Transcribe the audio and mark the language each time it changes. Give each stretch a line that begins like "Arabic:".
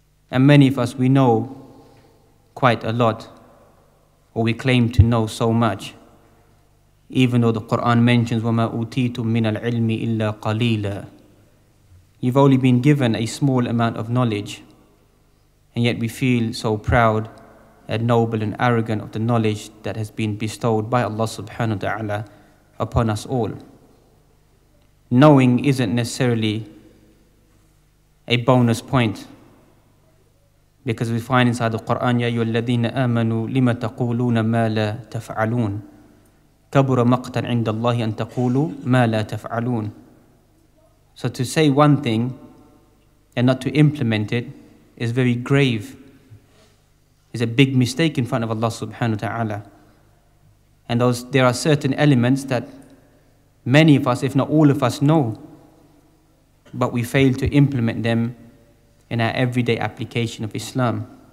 English: And many of us, we know quite a lot, or we claim to know so much, even though the Quran mentions
Arabic: وَمَا أُوتِيتُم مِّنَ الْعِلْمِ إِلَّا قَلِيلًا.
English: You've only been given a small amount of knowledge, and yet we feel so proud and noble and arrogant of the knowledge that has been bestowed by Allah subhanahu wa ta'ala upon us all. Knowing isn't necessarily a bonus point, because we find inside the Quran,
Arabic: يَا أَيُّهَا الَّذِينَ آمَنُوا لِمَ تَقُولُونَ مَا لَا تَفْعَلُونَ كَبُرَ مَقْتًا عِنْدَ اللَّهِ أَن تَقُولُوا مَا لَا تَفْعَلُونَ.
English: So to say one thing and not to implement it is very grave. Is a big mistake in front of Allah subhanahu wa ta'ala. And there are certain elements that many of us, if not all of us, know, but we fail to implement them in our everyday application of Islam.